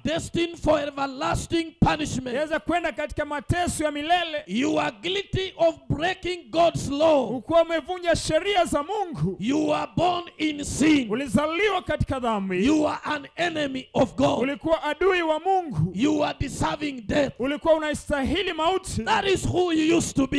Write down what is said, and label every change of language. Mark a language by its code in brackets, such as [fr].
[en] Destined for everlasting punishment. [sw] Yaweza kwenda katika mateso ya milele. [en] You are guilty of breaking God's law. [sw] Ulikuwa umevunja sheria za Mungu. [en] You are born in sin. [sw] Ulizaliwa katika dhambi. [en] You are an enemy of God. [sw] Ulikuwa adui wa Mungu. [en] You are deserving death. [sw] Ulikuwa unastahili mauti. [en] That is who you used to be.